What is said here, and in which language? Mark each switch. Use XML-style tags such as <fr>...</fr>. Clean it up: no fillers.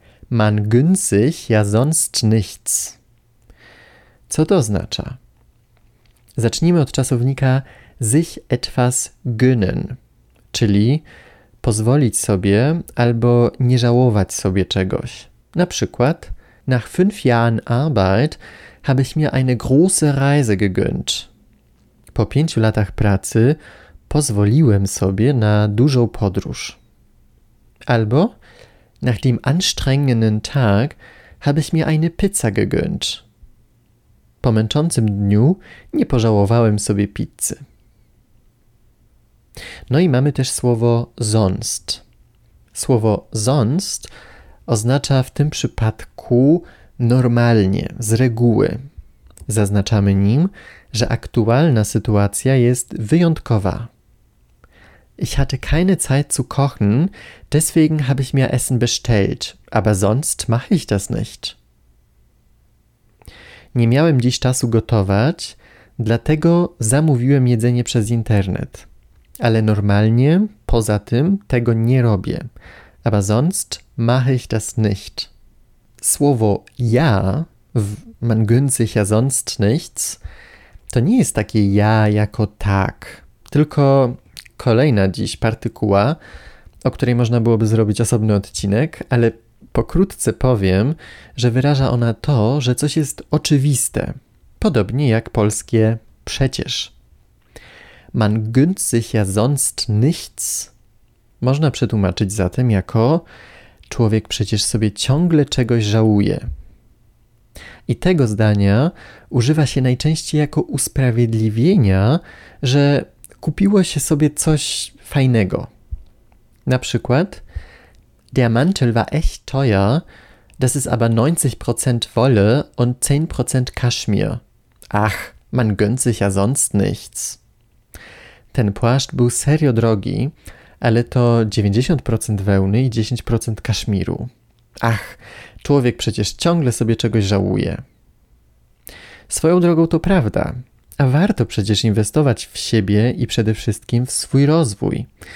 <de>Man gönnt sich ja sonst nichts.</de> <pl>Co to oznacza? Zacznijmy od czasownika sich etwas gönnen, czyli pozwolić sobie albo nie żałować sobie czegoś. Na przykład</pl> <de>nach 5 Jahren Arbeit habe ich mir eine große Reise gegönnt.</de> <pl>Po 5 latach pracy pozwoliłem sobie na dużą podróż.</pl> <de>Albo nach dem anstrengenden Tag habe ich mir eine Pizza gegönnt.</de> <pl>Po męczącym dniu nie pożałowałem sobie pizzy. No i mamy też słowo sonst. Słowo sonst oznacza w tym przypadku normalnie, z reguły. Zaznaczamy nim, że aktualna sytuacja jest wyjątkowa.</pl> <de>Ich hatte keine Zeit zu kochen, deswegen habe ich mir Essen bestellt, aber sonst mache ich das nicht.</de> <pl>Nie miałem dziś czasu gotować, dlatego zamówiłem jedzenie przez internet. Ale normalnie, poza tym, tego nie robię.</pl> <de>Aber sonst mache ich das nicht.</de> <pl>Słowo ja w</pl> <de>man gönnt sich ja sonst nichts</de> <pl>to nie jest takie ja jako tak, tylko kolejna dziś partykuła, o której można byłoby zrobić osobny odcinek, ale pokrótce powiem, że wyraża ona to, że coś jest oczywiste, podobnie jak polskie przecież.</pl> <de>Man gönnt sich ja sonst nichts.</de> <pl>Można przetłumaczyć zatem jako człowiek przecież sobie ciągle czegoś żałuje. I tego zdania używa się najczęściej jako usprawiedliwienia, że kupiło się sobie coś fajnego. Na przykład</pl> <de>der Mantel war echt teuer, das ist aber 90% Wolle und 10% Kaschmir. Ach, man gönnt sich ja sonst nichts.</de> <pl>Ten płaszcz był serio drogi, ale to 90% wełny i 10% kaszmiru. Ach, Człowiek przecież ciągle sobie czegoś żałuje. Swoją drogą to prawda, a warto przecież inwestować w siebie i przede wszystkim w swój rozwój.</pl>